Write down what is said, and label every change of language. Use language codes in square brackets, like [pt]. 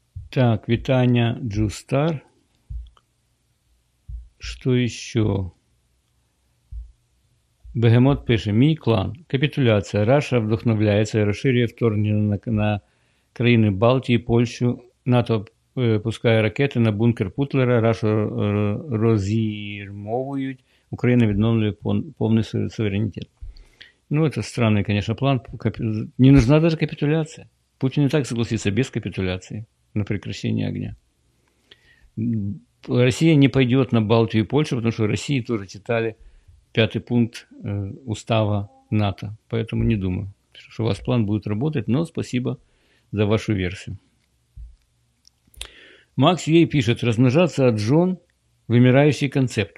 [ru] Так, Витания Джустар. Что еще? Бегемот пишет. Ми клан. Капитуляция. Раша вдохновляется и расширяет вторжение на [uk] країни Балтії, Польщу. НАТО пускає ракети на бункер Путлера. Рашу розірмовують. Україна відновлює повний суверенітет. Ну, це странний, звісно, план. Не нужна навіть капітуляція. Путін і так согласиться без капітуляції. [ru] На прекращение огня. Россия не пойдет на Балтию и Польшу, потому что России тоже читали пятый пункт устава НАТО. Поэтому не думаю, что у вас план будет работать, но спасибо за вашу версию. Макс ей пишет, размножаться от жен – вымирающий концепт.